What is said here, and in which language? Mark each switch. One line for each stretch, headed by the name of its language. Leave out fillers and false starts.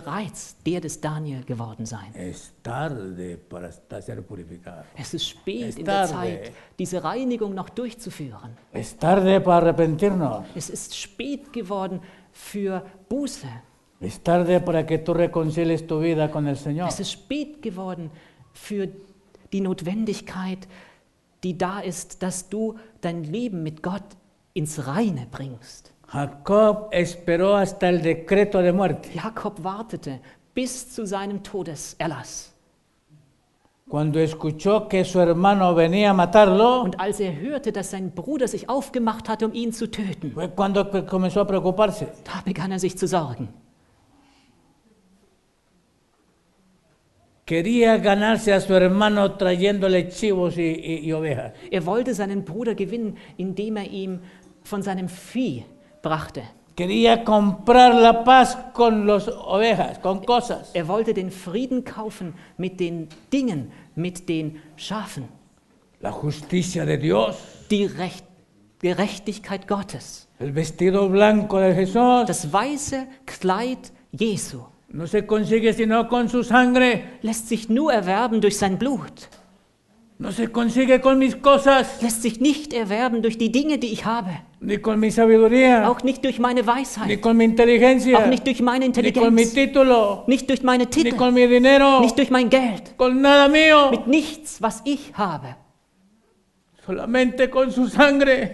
German: Bereits der des Daniel geworden sein.
Spanish: Es tarde para ser purificado.
German: Es ist spät es in tarde. Der Zeit, diese Reinigung noch durchzuführen.
Spanish: Es tarde para arrepentirnos.
German: Es ist spät geworden für Buße.
Spanish: Es tarde para que tú reconcilies tu vida con el Señor.
German: Es ist spät geworden für die Notwendigkeit, die da ist, dass du dein Leben mit Gott ins Reine bringst.
Spanish: Jacob esperó hasta el decreto de muerte.
German: Jakob wartete bis zu seinem Todeserlass.
Spanish: Cuando escuchó que su hermano venía a matarlo,
German: und als er hörte, dass sein Bruder sich aufgemacht hatte, um ihn zu töten,
Spanish: fue cuando comenzó a preocuparse.
German: Da begann er sich zu sorgen.
Spanish: Quería ganarse a su hermano trayéndole chivos y ovejas.
German: Er wollte seinen Bruder gewinnen, indem er ihm von seinem Vieh brachte.
Spanish: Quería comprar la paz con los ovejas, con cosas.
German: Er wollte den Frieden kaufen mit den Dingen, mit den Schafen.
Spanish: La justicia de Dios.
German: Die Gerechtigkeit Gottes.
Spanish: El vestido blanco de Jesús.
German: Das weiße Kleid Jesu.
Spanish: No se consigue sino con su sangre.
German: Lässt sich nur erwerben durch sein Blut.
Spanish: No se consigue con mis cosas.
German: Lässt sich nicht erwerben durch die Dinge, die ich habe.
Spanish: Ni con mi sabiduría.
German: Auch nicht durch meine Weisheit.
Spanish: Ni con mi inteligencia.
German: Auch nicht durch meine Intelligenz.
Spanish: Ni con mi título.
German: Nicht durch meine Titel.
Spanish: Ni con mi dinero.
German: Nicht durch mein Geld.
Spanish: Con nada mío.
German: Mit nichts, was ich habe.
Spanish: Solamente con su sangre.